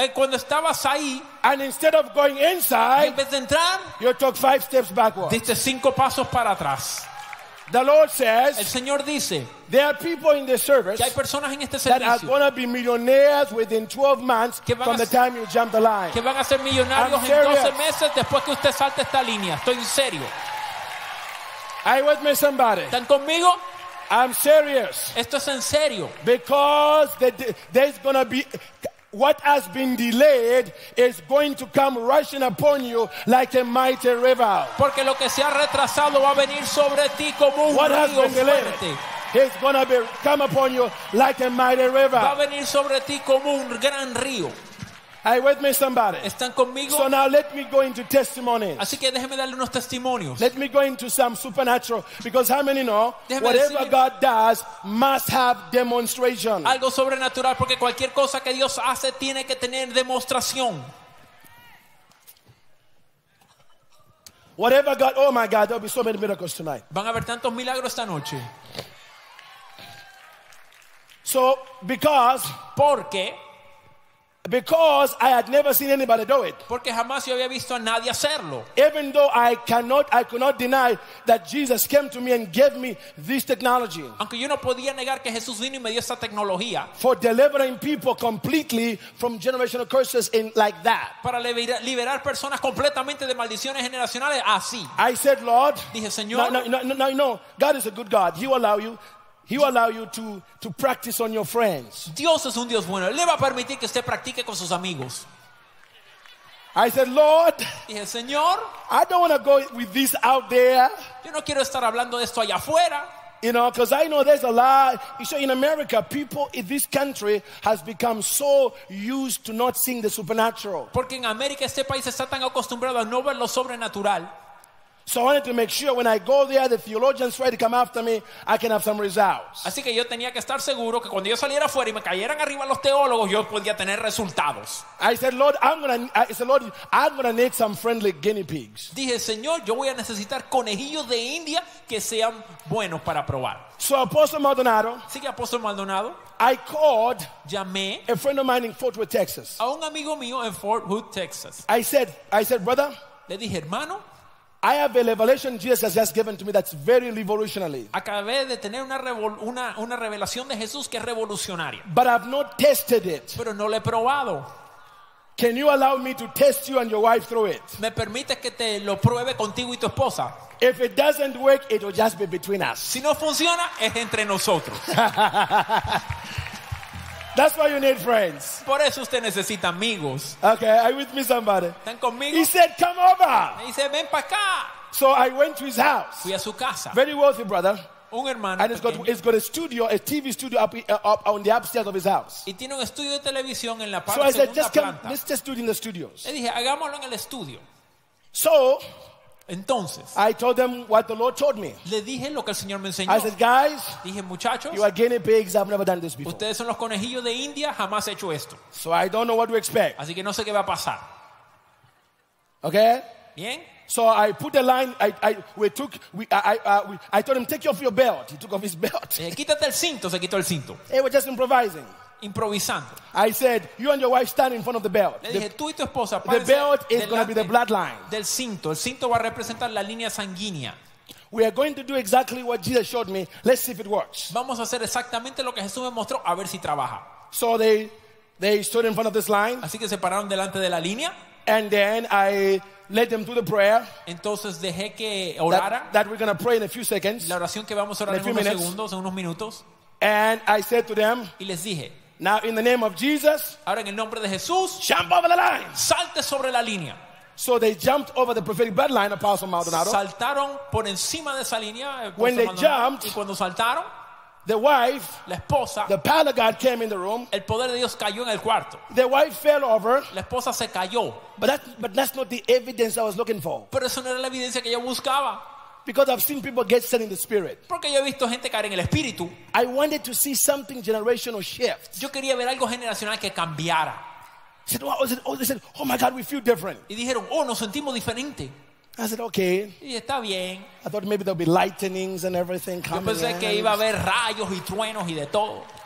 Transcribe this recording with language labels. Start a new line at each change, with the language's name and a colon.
Spanish: cuando estabas ahí,
English: and instead of going inside,
Spanish: en vez de entrar,
English: you took 5 steps backwards.
Spanish: Diste 5 pasos para atrás.
English: The Lord says,
Spanish: el Señor dice,
English: there are people in the service,
Spanish: que hay personas en este servicio,
English: that are going to be millionaires within 12 months from the time you jump the line.
Spanish: Que van a ser millonarios en 12 meses después que usted salte esta línea. Estoy en serio.
English: Are you with me, somebody?
Spanish: ¿Están conmigo?
English: I'm serious.
Spanish: Esto es en serio.
English: Because there's going to be... What has been delayed is going to come rushing upon you like a mighty river.
Spanish: Porque lo que se ha retrasado va a venir sobre ti como un
English: what
Spanish: río
English: has been
Spanish: fuerte.
English: Delayed is going to come upon you like a mighty river.
Spanish: Va a venir sobre ti como un gran río.
English: Are you with me, somebody?
Spanish: ¿Están conmigo?
English: So now let me go into testimonies.
Spanish: Así que déjeme darle unos testimonios.
English: Let me go into some supernatural. Because how many know, whatever God does must have demonstration.
Spanish: Algo sobrenatural, porque cualquier cosa que Dios hace tiene que tener demostración.
English: Whatever God, oh my God, there'll be so many miracles tonight.
Spanish: Van a haber tantos milagros esta noche.
English: So, because...
Spanish: Porque...
English: Because I had never seen anybody do it.
Spanish: Porque jamás yo había visto a nadie hacerlo.
English: Even though I could not deny that Jesus came to me and gave me this technology.
Spanish: Aunque yo no podía negar que Jesús vino y me dio esta tecnología.
English: For delivering people completely from generational curses in like that.
Spanish: Para liberar personas completamente de maldiciones generacionales así.
English: I said, Lord.
Spanish: Dije, Señor.
English: No. God is a good God. He will allow you. He will allow you to practice on your friends.
Spanish: Dios es un Dios bueno. Le va a permitir que usted practique con sus amigos.
English: I said, Lord.
Spanish: Dije, Señor.
English: I don't want to go with this out there.
Spanish: Yo no quiero estar hablando de esto allá afuera.
English: You know, because I know there's a lot. You see, in America, people in this country has become so used to not seeing the supernatural.
Spanish: Porque en América este país está tan acostumbrado a no ver lo sobrenatural.
English: So I wanted to make sure when I go there, the theologians try to come after me, I can have some results.
Spanish: Así que yo tenía que estar seguro que cuando yo saliera afuera y me cayeran arriba los teólogos, yo podía tener resultados.
English: I said, Lord, I'm gonna need some friendly guinea pigs.
Spanish: Dije, Señor, yo voy a necesitar conejillos de India que sean buenos para probar.
English: So Apostle Maldonado.
Spanish: Así que Apostle Maldonado.
English: I called.
Spanish: Llamé.
English: A friend of mine in Fort Worth, Texas.
Spanish: A un amigo mío en Fort Hood, Texas.
English: I said, brother.
Spanish: Le dije, hermano.
English: I have a revelation Jesus has just given to me that's very revolutionary.
Spanish: Acabé de tener una revelación de Jesús que es revolucionaria.
English: But I've not tested it.
Spanish: Pero no lo he probado.
English: Can you allow me to test you and your wife through it?
Spanish: ¿Me permites que te lo pruebe contigo y tu esposa?
English: If it doesn't work, it will just be between us.
Spanish: Si no funciona, es entre nosotros.
English: That's why you need friends.
Spanish: Por eso usted necesita amigos.
English: Okay, are you with me, somebody?
Spanish: ¿Están conmigo?
English: He said, come over.
Spanish: Me dice, ven pa acá.
English: So I went to his house.
Spanish: Fui a su casa.
English: Very wealthy brother.
Spanish: un hermano
English: and
Spanish: pequeño.
English: He's got a studio, a TV studio up on the upstairs of his house.
Spanish: Y tiene un estudio de televisión en la parte
English: so
Spanish: segunda
English: said, just
Spanish: planta.
English: Come, let's just do it in the studios.
Spanish: Le dije, hagámoslo en el estudio.
English: So,
Spanish: entonces,
English: I told them what the Lord told me.
Spanish: Le dije lo que el Señor me enseñó.
English: I said, guys,
Spanish: dije, muchachos,
English: you are guinea pigs, I've never done this before.
Spanish: Ustedes son los conejillos de India, jamás he hecho esto.
English: So I don't know what to expect.
Spanish: Así que no sé qué va a pasar.
English: Okay?
Spanish: Bien.
English: So I put a line. I told him, take off your belt. He took off his belt.
Spanish: Quítate el cinto. Se quitó el cinto.
English: They were just improvising.
Spanish: Improvisando.
English: I said, you and your wife stand in front of the belt.
Spanish: Le dije, tú y tu esposa,
English: the belt is going to be the bloodline.
Spanish: Del cinto. El cinto va a representar la línea sanguínea.
English: We are going to do exactly what Jesus showed me. Let's see if it works.
Spanish: Vamos a hacer exactamente lo que Jesús me mostró. A ver si trabaja.
English: So they stood in front of this line.
Spanish: Así que se pararon delante de la línea.
English: And then I led them to the prayer.
Spanish: Entonces dejé que orara.
English: That we're going to pray in a few seconds.
Spanish: La oración que vamos a orar en unos segundos, en unos minutos.
English: And I said to them.
Spanish: Y les dije.
English: Now in the name of Jesus.
Spanish: Ahora en el nombre de Jesús.
English: Jump over the line.
Spanish: Salte sobre la línea.
English: So they jumped over the prophetic bloodline, Apostle Maldonado.
Spanish: Saltaron por encima de esa línea.
English: When they jumped.
Spanish: Y cuando saltaron.
English: The wife,
Spanish: la esposa,
English: the power of God came in the room.
Spanish: El poder de Dios cayó en el cuarto.
English: The wife fell over.
Spanish: La esposa se cayó.
English: But that's not the evidence I was looking for.
Spanish: Pero eso no era la evidencia que yo buscaba.
English: Because I've seen people get set in the spirit.
Spanish: Porque yo he visto gente caer en el espíritu.
English: I wanted to see something generational shift.
Spanish: Yo quería ver algo generacional que cambiara.
English: They said, oh my God, we feel different.
Spanish: Y dijeron, oh, nos sentimos diferente.
English: I said, okay.
Spanish: Y está bien.
English: I thought maybe there'll be lightnings and everything coming.
Spanish: Yo pensé que iba a haber rayos y truenos y de todo.